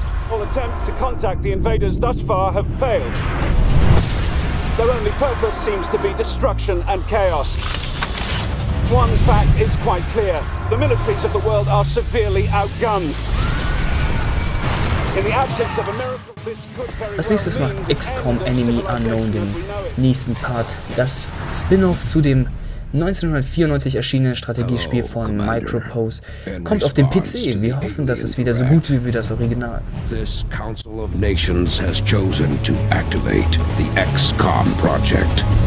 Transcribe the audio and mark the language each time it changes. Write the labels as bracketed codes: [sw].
[en] All attempts to contact the invaders thus far have failed. Their only purpose seems to be destruction and chaos. One fact is quite clear. The militaries of the world are severely outgunned. In the absence of a miracle, this could very well. [de] Als nächstes macht XCOM Enemy Unknown den nächsten Part, das Spin-off zu dem 1994 erschienene Strategiespiel von Micropose kommt auf den PC. Wir hoffen, dass es wieder so gut wird wie das Original. [en] This Council of Nations has chosen to activate the XCOM project.